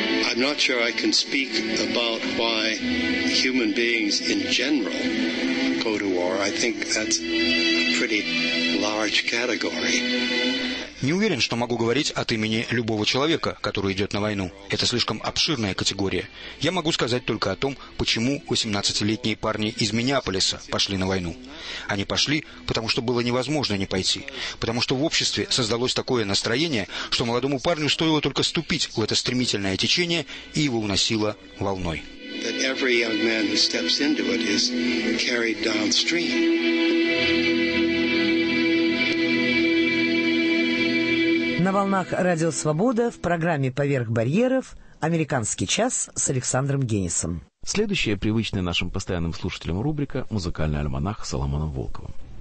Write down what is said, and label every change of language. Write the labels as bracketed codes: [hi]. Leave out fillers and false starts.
[en] I'm not sure I can speak about why human beings in general go to war. I think that's a pretty large category. [ru] Не уверен, что могу говорить от имени любого человека, который идет на войну. Это слишком обширная категория. Я могу сказать только о том, почему 18-летние парни из Миннеаполиса пошли на войну. Они пошли, потому что было невозможно не пойти. Потому что в обществе создалось такое настроение, что молодому парню стоило только ступить в это стремительное течение, и его уносило волной. [en] That every young man who steps into it is carried downstream. [ru] На волнах «Радио Свобода» в программе «Поверх барьеров» «Американский час» с Александром Генисом. Следующая привычная нашим постоянным слушателям рубрика «Музыкальный альманах» с Соломоном Волковым.